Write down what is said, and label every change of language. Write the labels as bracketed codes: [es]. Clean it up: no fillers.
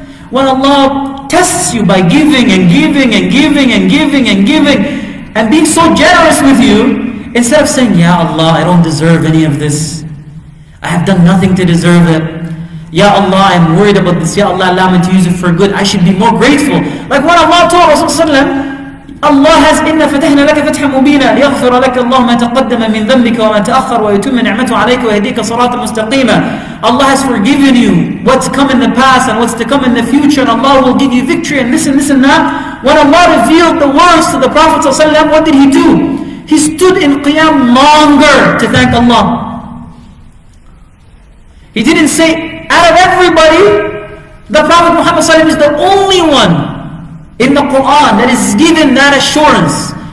[en] When Allah tests you by giving and giving and giving and giving and giving and being so generous with you, instead of saying, Ya Allah, I don't deserve any of this. I have done nothing to deserve it. Ya Allah, I'm worried about this. Ya Allah, allow me to use it for good. I should be more grateful. Like when Allah told Rasulullah, [ar] الله [en] has [ar] إنا فتحنا لك فتحا مبينا ليغفر لك الله ما تقدم من ذنبك وما تأخر ويتم نعمته عليك ويهديك صراطا مستقيما. [en] Allah has forgiven you what's come in the past and what's to come in the future, and Allah will give you victory and this and this and that. When Allah revealed the words to the Prophet ﷺ, what did he do? He stood in qiyam longer to thank Allah. He didn't say, out of everybody, the Prophet Muhammad ﷺ is the only one in the Quran that is given that assurance.